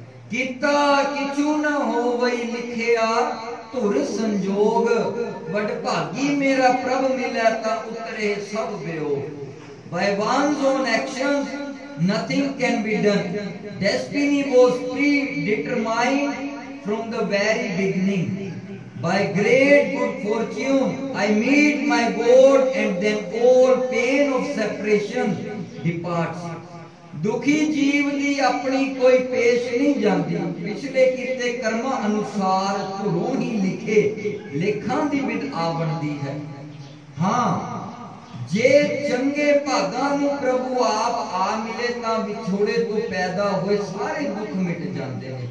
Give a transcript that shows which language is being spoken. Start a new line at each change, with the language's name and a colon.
Punjabi: ਕੀਤਾ ਕਿਛੂ ਨਾ ਹੋਵਈ ਲਿਖਿਆ ਧੁਰ ਸੰਜੋਗ, ਵਡਭਾਗੀ ਮੇਰਾ ਪ੍ਰਭ ਮਿਲਿਆ ਤਾਂ ਉਤਰੇ ਸਭ ਵਿਯੋਗ।
English: By one own action nothing can be done, destiny was predetermined from the very beginning. By great good fortune, I meet my God and then all pain of separation departs.
Punjabi: ਦੁਖੀ ਜੀਵ ਦੀ ਆਪਣੀ ਕੋਈ ਪੇਸ਼ ਨਹੀਂ ਜਾਂਦੀ, ਪਿਛਲੇ ਕੀਤੇ ਕਰਮਾਂ ਅਨੁਸਾਰ ਧੁਰੋਂ ਹੀ ਲਿਖੇ ਲੇਖਾਂ ਦੀ ਵਿਧ ਆ ਬਣਦੀ ਹੈ। ਹਾਂ, ਜੇ ਚੰਗੇ ਭਾਗਾਂ ਨੂੰ ਪ੍ਰਭੂ ਆਪ ਆ ਮਿਲੇ ਤਾਂ ਵਿਛੋੜੇ ਤੋਂ ਪੈਦਾ ਹੋਏ ਸਾਰੇ ਦੁੱਖ ਮਿਟ ਜਾਂਦੇ ਨੇ।